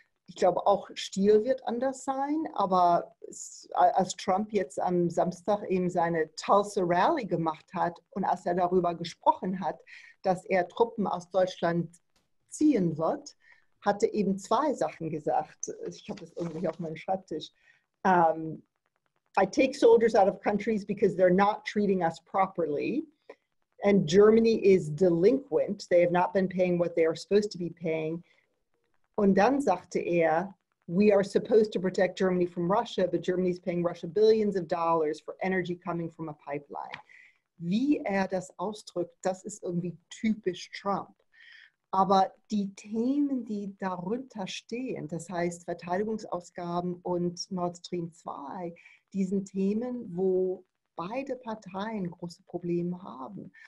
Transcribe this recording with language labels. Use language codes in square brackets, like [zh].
[de] Ich glaube, auch Stil wird anders sein, aber es, als Trump jetzt am Samstag eben seine Tulsa Rally gemacht hat und als er darüber gesprochen hat, dass er Truppen aus Deutschland ziehen wird, hatte eben zwei Sachen gesagt. Ich habe das irgendwie auf meinem Schreibtisch. [en] I take soldiers out of countries because they're not treating us properly. And Germany is delinquent. They have not been paying what they are supposed to be paying. [de] Und dann sagte er, [en] we are supposed to protect Germany from Russia, but Germany is paying Russia billions of dollars for energy coming from a pipeline. [de] Wie er das ausdrückt, das ist irgendwie typisch Trump. Aber die Themen, die darunter stehen, das heißt Verteidigungsausgaben und Nord Stream 2, diesen Themen, wo beide Parteien große Probleme haben.